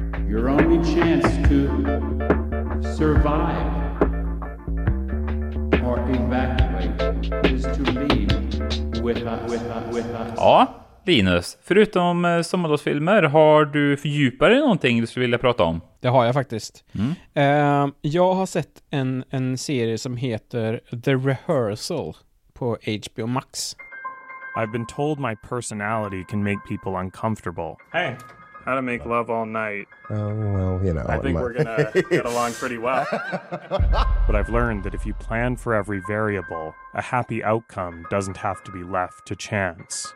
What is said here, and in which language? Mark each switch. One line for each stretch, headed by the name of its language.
English: Your only chance to survive or evacuate is to leave with us.
Swedish: Ja, Linus. Förutom sommardagsfilmer, har du fördjupat dig någonting du skulle vilja prata om? Det har jag faktiskt. Mm. Jag har sett en serie som heter The Rehearsal på HBO Max.
English: I've been told my personality can make people uncomfortable. Hey, how to make love all night. I think we're gonna get along pretty well. But I've learned that if you plan for every variable, a happy outcome doesn't have to be left to chance.